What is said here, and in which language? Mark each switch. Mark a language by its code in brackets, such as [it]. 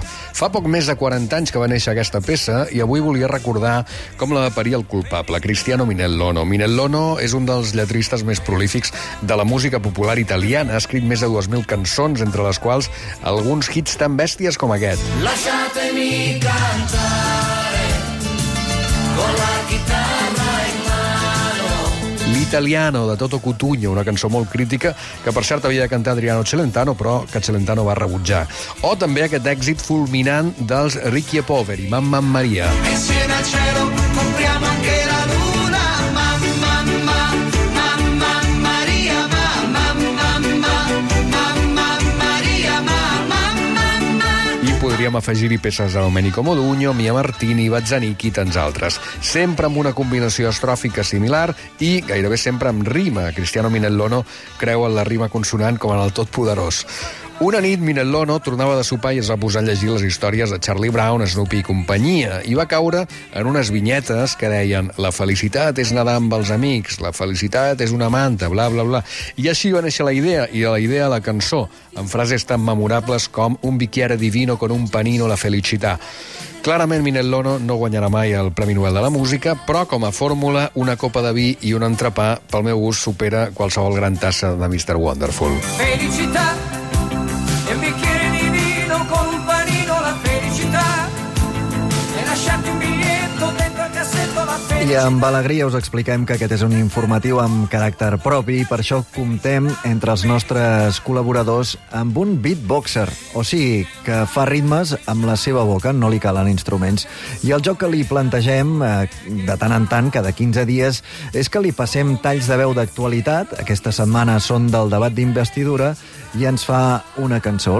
[ca] Fa poc més de 40 anys que va néixer aquesta peça i avui volia recordar com la va parir el culpable, Cristiano Minellono. Minellono és un dels lletristes més prolífics de la música popular italiana. Ha escrit més de 2.000 cançons, entre les quals alguns hits tan bèsties com aquest. [it] Lasciatemi cantare con la guitarra. [ca] Italiano, de Toto Cutugno, una cançó molt crítica, que per cert havia de cantar Adriano Celentano, però que Celentano va rebutjar. O també aquest èxit fulminant dels Ricky e Poveri, Mamma Maria. [it] Insieme al cielo, compriamo anche la luna. Mamma, mamma, Maria, mamma, Maria, mamma. [ca] I podríem afegir-hi peces de Domenico Modugno, Mia Martini, Bazzanic i tants altres. Sempre amb una combinació estròfica similar i gairebé sempre amb rima. Cristiano Minellono creu en la rima consonant com en el tot poderós. Una nit, Minellono tornava de sopar i es va posar a llegir les històries de Charlie Brown, Snoopy i companyia, i va caure en unes vinyetes que deien «La felicitat és nedar amb els amics», «La felicitat és una manta», bla, bla, bla. I així va néixer la idea, i de la idea la cançó, amb frases tan memorables com [it] «Un bicchiere divino con un panino la felicità». [ca] Clarament, Minellono no guanyarà mai el Premi Nobel de la Música, però com a fórmula, una copa de vi i un entrepà, pel meu gust, supera qualsevol gran tassa de Mr. Wonderful. [it] Felicità, un bicchiere di vino con un panino, la felicità, e lasciate un biglietto dentro al cassetto, la felicità. [ca] I amb alegria us expliquem que aquest és un informatiu amb caràcter propi i per això comptem entre els nostres col·laboradors amb un beatboxer, o sigui, que fa ritmes amb la seva boca, no li calen instruments. I el joc que li plantegem de tant en tant, cada 15 dies, és que li passem talls de veu d'actualitat, aquesta setmana són del debat d'investidura, i ens fa una cançó.